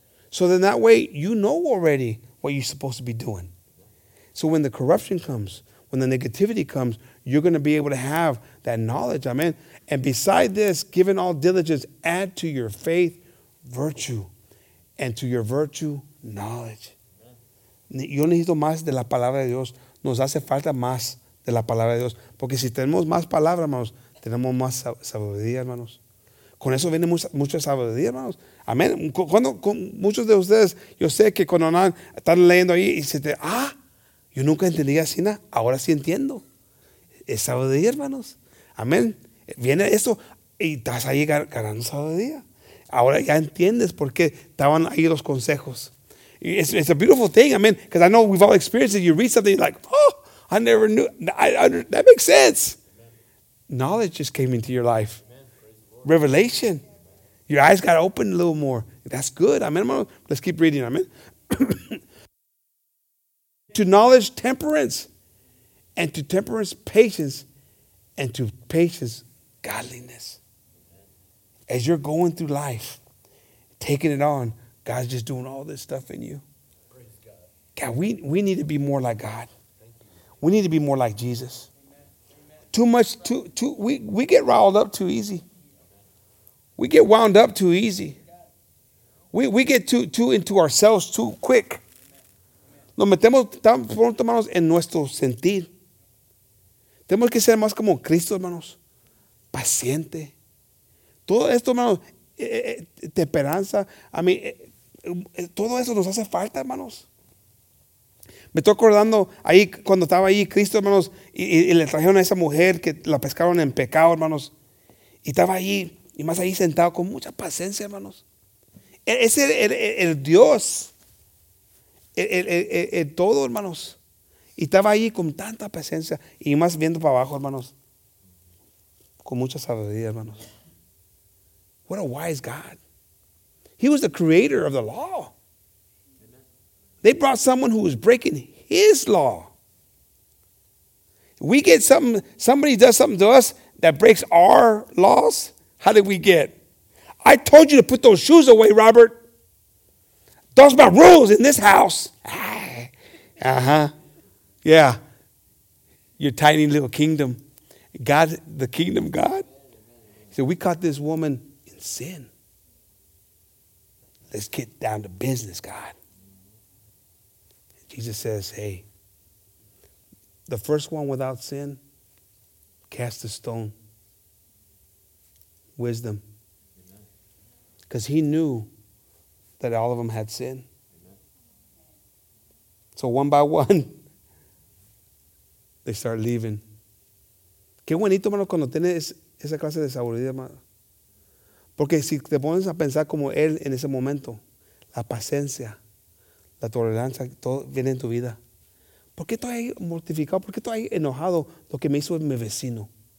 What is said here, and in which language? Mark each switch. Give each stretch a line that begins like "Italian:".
English: So then that way you know already what you're supposed to be doing. So when the corruption comes, when the negativity comes, you're going to be able to have that knowledge. Amen. And beside this, given all diligence, add to your faith virtue. And to your virtue, knowledge.
Spanish: Yo necesito más de la palabra de Dios. Nos hace falta más de la palabra de Dios. Porque si tenemos más palabra, hermanos, tenemos más sabiduría, hermanos. Con eso viene mucha sabiduría, hermanos. Amén. Con muchos de ustedes, yo sé que cuando están leyendo ahí, y yo nunca entendí así, ¿no? Ahora sí entiendo. Es sabiduría, hermanos. Amén. Viene eso y estás ahí ganando sabiduría. Ahora ya entiendes por qué estaban ahí los consejos.
English: It's a beautiful thing, amen. Because I know we've all experienced it. You read something, you're like, oh, I never knew. That makes sense. Amen. Knowledge just came into your life. Revelation. Your eyes got opened a little more. That's good, amen. Let's keep reading, amen. To knowledge, temperance. And to temperance, patience. And to patience, godliness. As you're going through life, taking it on, God's just doing all this stuff in you. Praise God. God, we need to be more like God. We need to be more like Jesus. Amen. Too much, we get riled up too easy. We get wound up too easy. We get too into ourselves too quick.
Spanish: Nos metemos tan pronto, hermanos, en nuestro sentir. Tenemos que ser más como Cristo, hermanos. Paciente. Todo esto, hermanos, temperanza.
English: I mean,
Spanish: todo eso nos hace falta, hermanos. Me estoy acordando ahí cuando estaba ahí Cristo, hermanos, y le trajeron a esa mujer que la pescaron en pecado, hermanos. Y estaba ahí, y más ahí sentado con mucha paciencia, hermanos. Es el Dios, el todo, hermanos. Y estaba ahí con tanta paciencia, y más viendo para abajo, hermanos. Con mucha sabiduría, hermanos.
English: What a wise God. He was the creator of the law. They brought someone who was breaking his law. We get something, somebody does something to us that breaks our laws. How did we get? I told you to put those shoes away, Robert. Those are my rules in this house. Uh-huh. Yeah. Your tiny little kingdom. God, the kingdom of God. So we caught this woman in sin. Let's get down to business, God. Jesus says, hey, the first one without sin, cast a stone. Wisdom. Because he knew that all of them had sin. So one by one, they start leaving.
Spanish: Qué bonito, hermano, cuando tienes esa clase de sabiduría, hermano. Porque si te pones a pensar como él en ese momento, la paciencia, la tolerancia, todo viene en tu vida. ¿Por qué estoy mortificado? ¿Por qué estoy enojado lo que me hizo mi vecino?